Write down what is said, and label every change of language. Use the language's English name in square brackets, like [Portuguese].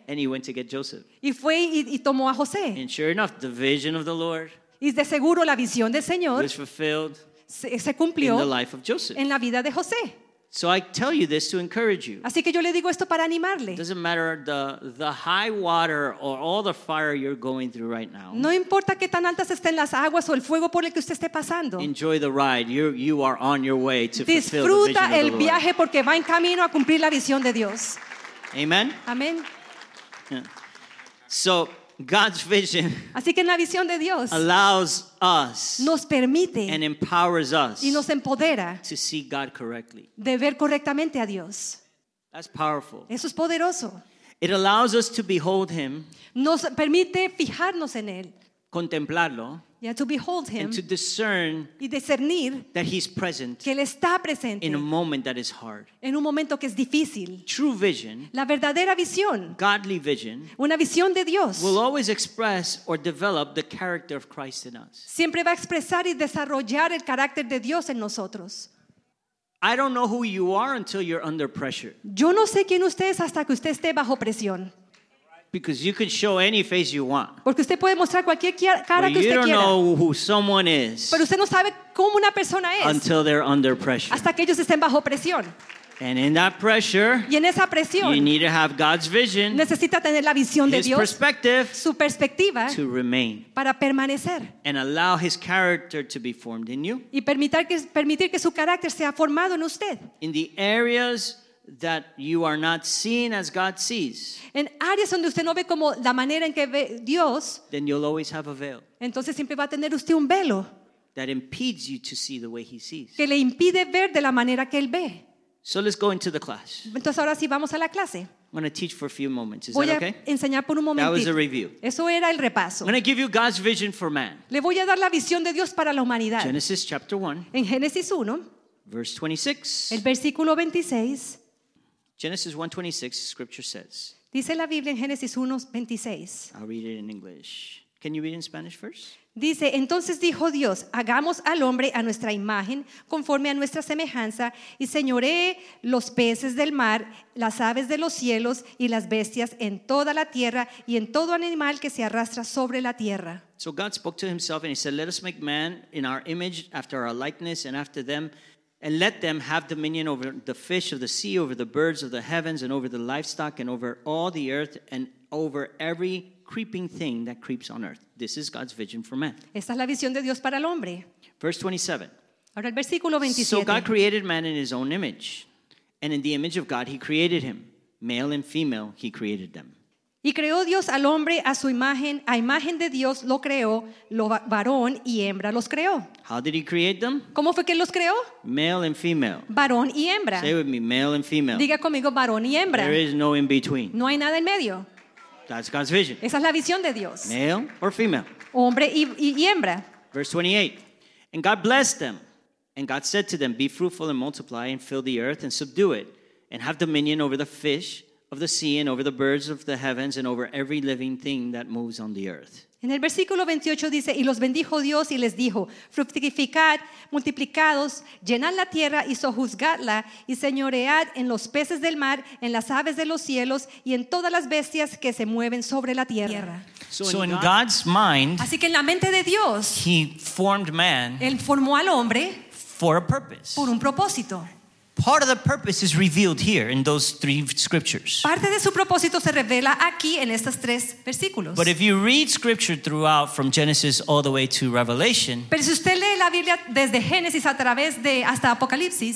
[English] And he went to get Joseph. [Spanish] Y fue y tomó a José. [English] And sure enough, the vision of the Lord. [Spanish] Y de seguro la visión del Señor se cumplió [English] in the life of Joseph. [Spanish] En la vida de José. [English] So I tell you this to encourage you. [Spanish] Así que yo le digo esto para animarle. [English] Doesn't matter the high water or all the fire you're going through right now. [Spanish] No importa qué tan altas estén las aguas o el fuego por el que usted esté pasando. [English] Enjoy the ride. You are on your way to fulfill the vision. [Spanish] Disfruta el [English] Lord. [Spanish] Viaje porque va en camino a cumplir la visión de Dios. [English] Amen. [Spanish] Amén. [English] So God's vision, [Spanish] así que en la visión de Dios, [English] allows us, [Spanish] nos permite, [English] and empowers us, [Spanish] y nos empodera, [English] to see God correctly, [Spanish] de ver correctamente a Dios. [English] That's powerful. [Spanish] Eso es poderoso. [English] It allows us to behold Him, [Spanish] nos permite fijarnos en él, contemplarlo, [English] yeah, to behold Him, and to discern, [Spanish] y discernir, [English] that He's present, [Spanish] que él está presente, [English] in a moment that is hard, [Spanish] en un momento que es difícil. [English] True vision, [Spanish] la verdadera visión, [English] godly vision, [Spanish] una visión de Dios, [English] will always express or develop the character of Christ in us. [Spanish] Siempre va a expresar y desarrollar el carácter de Dios en nosotros. [English] I don't know who you are until you're under pressure. [Spanish] Yo no sé quién usted es hasta que usted esté bajo presión. [English] Because you can show any face you want. [Spanish] Porque usted puede mostrar cualquier cara que usted quiera. [English] But you don't know who someone is. [Spanish] Pero usted no sabe cómo una persona es. [English] Until they're under pressure. [Spanish] Hasta que ellos estén bajo presión. [English] And in that pressure, [Spanish] y en esa presión, [English] you need to have God's vision. [Spanish] Necesita tener la visión de Dios. [English] His perspective. [Spanish] Su perspectiva. [English] To remain. [Spanish] Para permanecer. [English] And allow His character to be formed in you. [Spanish] Y permitir que su carácter sea formado en usted. [English] In the areas that you are not seeing as God sees. [Spanish] En áreas donde usted no ve como la manera en que ve Dios. [English] Then you'll always have a veil. [Spanish] Entonces siempre va a tener usted un velo. [English] That impedes you to see the way He sees. [Spanish] Que le impide ver de la manera que él ve. [English] So let's go into the class. [Spanish] Entonces ahora sí vamos a la clase. [English] I'm going to teach for a few moments. Is [Spanish] voy [English] that okay? [Spanish] Voy a enseñar por un momentito. [English] That was a review. [Spanish] Eso era el repaso. [English] I'm going to give you God's vision for man. [Spanish] Le voy a dar la visión de Dios para la humanidad. [English] Genesis chapter 1. [Spanish] En Génesis 1. [English] Verse 26. [Spanish] El versículo 26. [English] Genesis 1:26, scripture says. [Spanish] Dice la Biblia en Génesis 1:26. [English] I'll read it in English. Can you read it in Spanish first? [Spanish] Dice, entonces dijo Dios, hagamos al hombre a nuestra imagen, conforme a nuestra semejanza, y señoree los peces del mar, las aves de los cielos, y las bestias en toda la tierra, y en todo animal que se arrastra sobre la tierra. [English] So God spoke to himself and he said, let us make man in our image, after our likeness, and after them, and let them have dominion over the fish of the sea, over the birds of the heavens, and over the livestock, and over all the earth, and over every creeping thing that creeps on earth. This is God's vision for man. [Spanish] Esta es la visión de Dios para el hombre. [English] Verse 27. [Spanish] Ahora el versículo 27. [English] So God created man in his own image, and in the image of God he created him. Male and female, he created them. [Spanish] Y creó Dios al hombre a su imagen, a imagen de Dios lo creó, lo varón y hembra los creó. [English] How did he create them? [Spanish] ¿Cómo fue que los creó? [English] Male and female. [Spanish] Varón y hembra. [English] Say with me, male and female. [Spanish] Diga conmigo, varón y hembra. [English] There is no in between. [Spanish] No hay nada en medio. [English] That's God's vision. [Spanish] Esa es la visión de Dios. [English] Male or female. [Spanish] Hombre y hembra. [English] Verse 28. And God blessed them. And God said to them, be fruitful and multiply and fill the earth and subdue it. And have dominion over the fish of the sea and over the birds of the heavens and over every living thing that moves on the earth. [Spanish] En el versículo 28 dice, y los bendijo Dios y les dijo, fructificad, multiplicados, llenad la tierra y sojuzgadla y señoread en los peces del mar, en las aves de los cielos y en todas las bestias que se mueven sobre la tierra. [English] So in God's mind, [Spanish] así que en la mente de Dios, [English] he formed man, [Spanish] él formó al hombre [English] for a purpose. [Spanish] Por un propósito. [English] Part of the purpose is revealed here in those three scriptures. [Spanish] Parte de su propósito se revela aquí en estos tres versículos. [English] But if you read scripture throughout from Genesis all the way to Revelation, [Spanish] pero si usted lee la Biblia desde Génesis a través de hasta Apocalipsis,